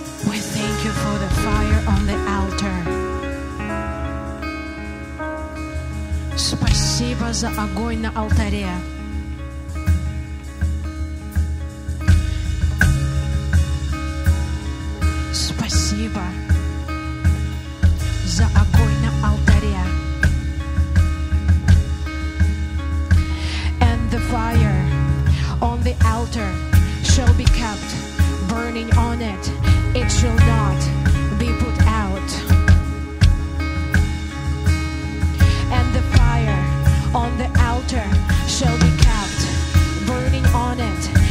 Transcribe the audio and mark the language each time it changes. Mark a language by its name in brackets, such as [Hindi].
[English] We thank you for the fire on the altar. [Russian] Спасибо за огонь на алтаре. Спасибо за огонь на алтаре. [English] And the fire on the altar shall be kept burning on it. It shall not be put out. And the fire on the altar shall be kept burning on it.